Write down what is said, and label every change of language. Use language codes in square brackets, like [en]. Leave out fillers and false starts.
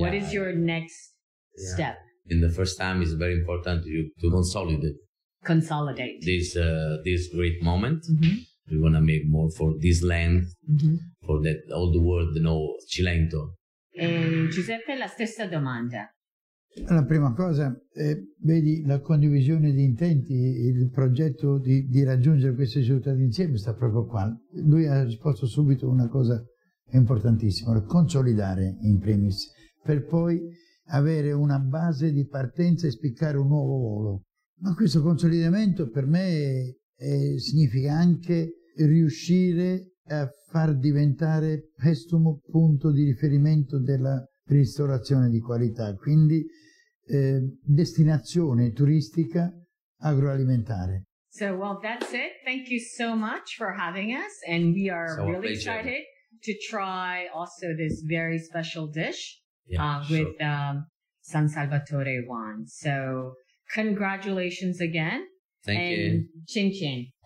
[en] What is your next step? In the first time, it's very important to consolidate. Consolidate this great moment. Mm-hmm. We want to make more for this land, for that all the world know Cilento. [it] E Giuseppe, la stessa domanda. La prima cosa, vedi, la condivisione di intenti, il progetto di raggiungere questi risultati insieme sta proprio qua. Lui ha risposto subito una cosa importantissima: consolidare in primis, per poi avere una base di partenza e spiccare un nuovo volo. Ma questo consolidamento per me significa anche riuscire a far diventare Pestum punto di riferimento della ristorazione di qualità, quindi destinazione turistica agroalimentare. [en] So, well, that's it. Thank you so much for having us, and we are so really excited to try also this very special dish with San Salvatore wine. So, congratulations again. Thank you. Chin chin.